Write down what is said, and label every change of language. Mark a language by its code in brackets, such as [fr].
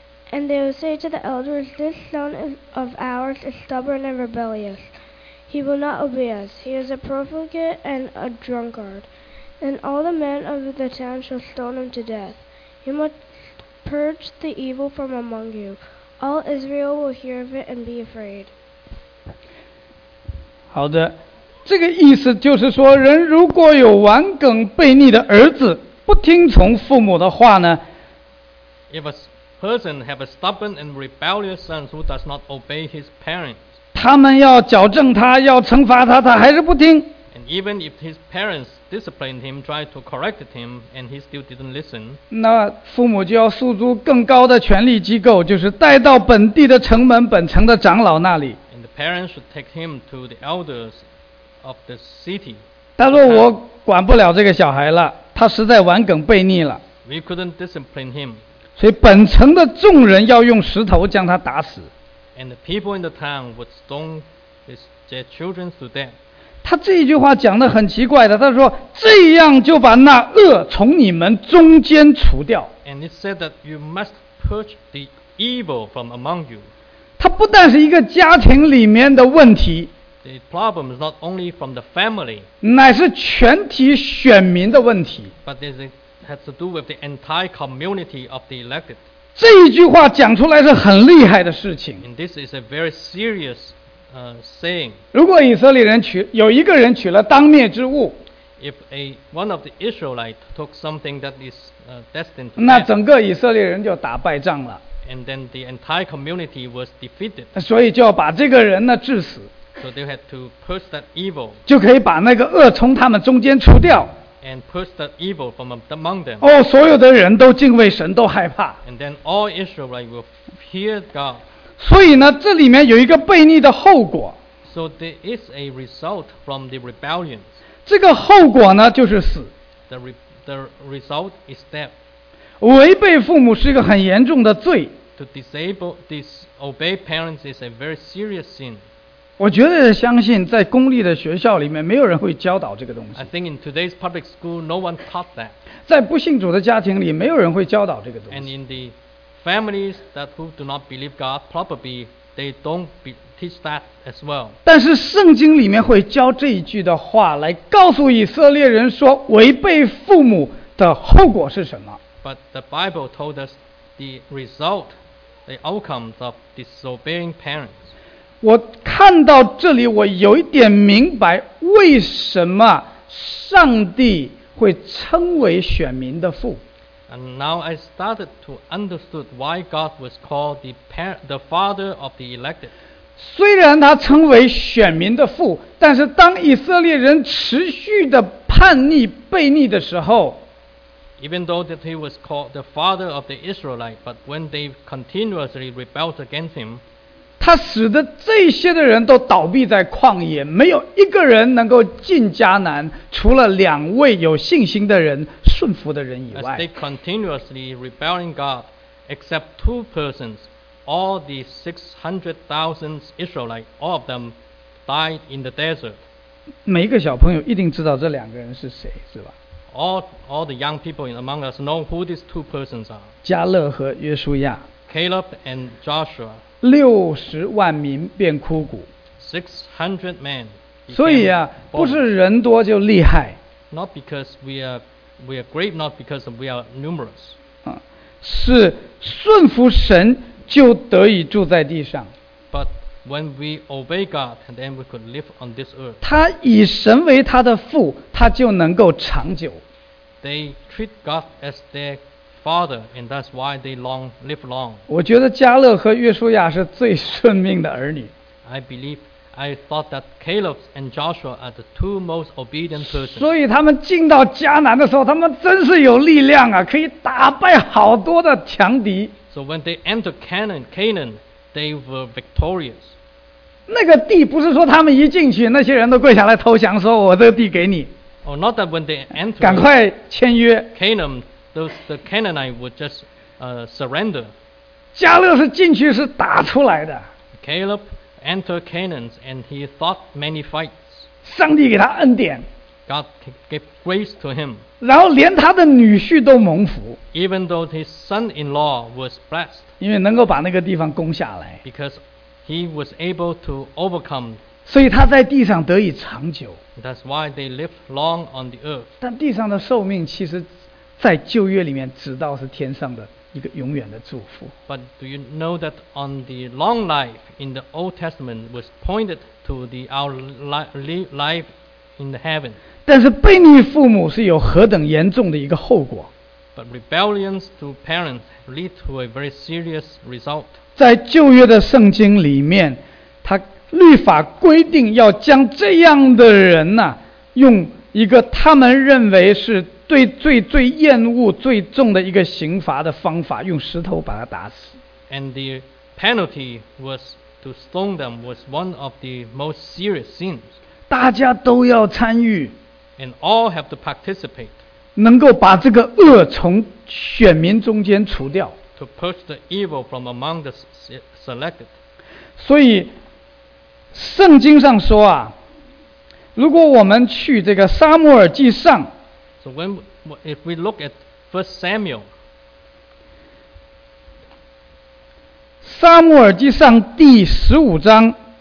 [en] And they will say to the elders, This son of ours is stubborn and rebellious. He will not obey us. He is a profligate and a drunkard. And all the men of the town shall stone him to death. He must... Purge the evil from among you. All Israel will hear of it and be afraid. [zh] 好的，这个意思就是说，人如果有顽梗悖逆的儿子，不听从父母的话呢 [en] ？If a person have a stubborn and rebellious son who does not obey his parents, [zh] 他们要矫正他，要惩罚他，他还是不听。 [en] And even if his parents disciplined him, tried to correct him, and he still didn't listen. [zh] 那父母就要诉诸更高的权力机构，就是带到本地的城门、本城的长老那里。 [en] And the parents should take him to the elders of the city. [zh] 他说我管不了这个小孩了，他实在顽梗悖逆了。 [en] We couldn't discipline him. [zh] 所以本城的众人要用石头将他打死。 [en] And the people in the town would stone his their children to death. [zh] 他这一句话讲得很奇怪的，他说这样就把那恶从你们中间除掉。 [en] And it said that you must purge the evil from among you. [zh] 他不但是一个家庭里面的问题。 [en] the problem is not only from the family, [zh] 乃是全体选民的问题。 [en] But this has to do with the entire community of the elected. [zh] 这一句话讲出来是很厉害的事情。 [en] And this is a very serious saying. [zh] 如果以色列人娶有一个人娶了当灭之物。 [en] If a one of the Israelites took something that is destined to death, [zh] 那整个以色列人就打败仗了。 [en] And then the entire community was defeated. [zh] 所以就要把这个人呢致死。 [en] So they had to push that evil. [zh] 就可以把那个恶从他们中间除掉。 [en] And push that evil from among them. [zh] 哦，所有的人都敬畏神，都害怕。 [en] And then all Israelites will fear God. [zh] 所以呢，这里面有一个悖逆的后果。 [en] So there is a result from the rebellion. [zh] 这个后果呢，就是死。 [en] The result is death. [zh] 违背父母是一个很严重的罪。 [en] To disobey parents is a very serious sin. [zh] 我绝对相信在公立的学校里面没有人会教导这个东西。 [en] I think in today's public school, no one taught that. [zh] 在不信主的家庭里没有人会教导这个东西。 [en] And in the families that who do not believe God, probably they don't teach that as well. [zh] 但是圣经里面会教这一句的话来告诉以色列人说违背父母的后果是什么。 [en] But the Bible told us the outcomes of disobeying parents. [zh] 我看到这里我有一点明白为什么上帝会称为选民的父。 [en] And now I started to understand why God was called the father of the elected. [zh] 虽然他称为选民的父，但是当以色列人持续的叛逆悖逆的时候， [en] Even though that he was called the father of the Israelite, but when they continuously rebelled against him, [zh] 他使得这些的人都倒闭在旷野，没有一个人能够进迦南，除了两位有信心的人、顺服的人以外。 [en] As they continuously rebelling God, except two persons, all the 600,000 Israelites, all of them died in the desert. [zh] 每一个小朋友一定知道这两个人是谁，是吧？ [en] All the young people among us know who these two persons are. [zh] 加勒和约书亚。 [en] Caleb and Joshua. [zh] 600,000变枯骨。 [en] 600 men. [zh] 所以啊，不是人多就厉害。 [en] Not because we are great, not because we are numerous. [zh] 是顺服神就得以住在地上。 [en] But when we obey God, then we could live on this earth. [zh] 他以神为他的父，他就能够长久。 [en] They treat God as their God. Father, and that's why they long live long. [zh] 我觉得加勒和约书亚是最顺命的儿女。 [en] I thought that Caleb and Joshua are the two most obedient persons. [zh] 所以他们进到迦南的时候，他们真是有力量啊，可以打败好多的强敌。 [en] So when they entered Canaan, they were victorious. [zh] 那个地不是说他们一进去，那些人都跪下来投降，说我这个地给你。 [en] Oh, not that when they entered. [zh] 赶快签约。 [en] Canaan. Those the Canaanite would just surrender. [zh] 加勒是进去是打出来的。 [en] Caleb entered Canaan and he fought many fights. [zh] 上帝给他恩典。 [en] God gave grace to him. [zh] 然后连他的女婿都蒙福。 [en] Even though his son-in-law was blessed. [zh] 因为能够把那个地方攻下来。 [en] Because he was able to overcome. [zh] 所以他在地上得以长久。 [en] That's why they lived long on the earth. [zh] 但地上的寿命其实。在旧约里面，直到是天上的一个永远的祝福。 [en] But do you know that on the long life in the Old Testament was pointed to the our life in the heaven? [zh] 但是悖逆父母是有何等严重的一个后果 [en] ？But rebellion to parents lead to a very serious result. [zh] 在旧约的圣经里面，他律法规定要将这样的人呢、啊，用一个他们认为是。对最最厌恶最重的一个刑罚的方法，用石头把他打死。 [en] And the penalty was to stone them was one of the most serious sins. [zh] 大家都要参与。 [en] And all have to participate. [zh] 能够把这个恶从选民中间除掉。 [en] To push the evil from among the selected. [zh] 所以，圣经上说啊，如果我们去这个撒母耳记上。 [en] So when if we look at 1 Samuel, [zh] 撒母耳记上第十五章